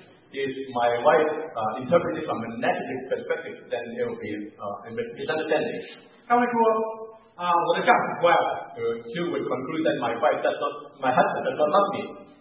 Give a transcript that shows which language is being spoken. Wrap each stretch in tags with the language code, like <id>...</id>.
<en>If my wife interpreted from a negative perspective, then it will be a misunderstanding.</en> <zh>他会说，我的丈夫不爱我。</zh> <en>She would conclude that my husband does not love me.</en>